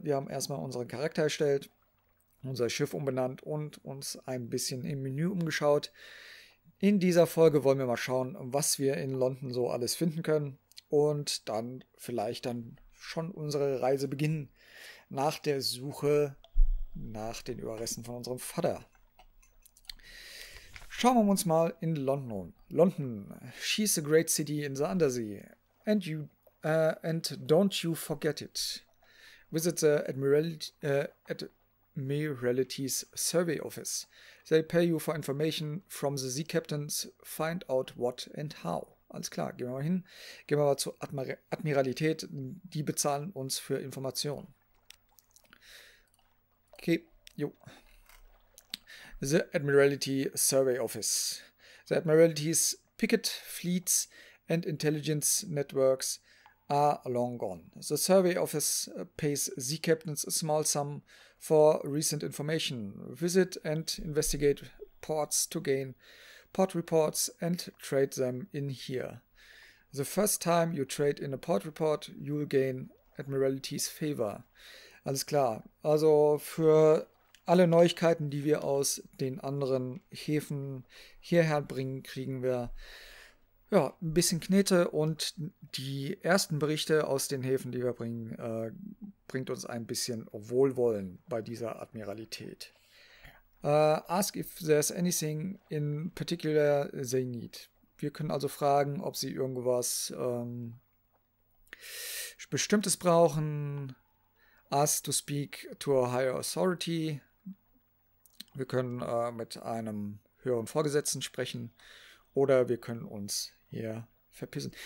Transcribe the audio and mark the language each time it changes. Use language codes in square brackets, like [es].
[de] Wir haben erstmal unseren Charakter erstellt, unser Schiff umbenannt und uns ein bisschen im Menü umgeschaut. In dieser Folge wollen wir mal schauen, was wir in London so alles finden können und dann vielleicht dann schon unsere Reise beginnen nach der Suche nach den Überresten von unserem Vater. Schauen wir uns mal in London um. [en] London, she's a great city in the undersea. And don't you forget it. Visit the Admiralty's Survey Office. They pay you for information from the sea captains. Find out what and how. [de] Alles klar, gehen wir mal hin. Gehen wir mal zur Admiralität. Die bezahlen uns für Informationen. [en] Okay, jo. The Admiralty Survey Office. The Admiralty's picket fleets and intelligence networks are long gone. The Survey Office pays sea captains a small sum for recent information. Visit and investigate ports to gain port reports and trade them in here. The first time you trade in a port report, you'll gain Admiralty's favor. [de] Alles klar. Also für alle Neuigkeiten, die wir aus den anderen Häfen hierher bringen, kriegen wir ja ein bisschen Knete. Und die ersten Berichte aus den Häfen, die wir bringen, bringt uns ein bisschen Wohlwollen bei dieser Admiralität. [en] Ask if there's anything in particular they need. [de] Wir können also fragen, ob sie irgendwas Bestimmtes brauchen. [en] Ask to speak to a higher authority. [de] Wir können mit einem höheren Vorgesetzten sprechen oder wir können uns hier verpissen.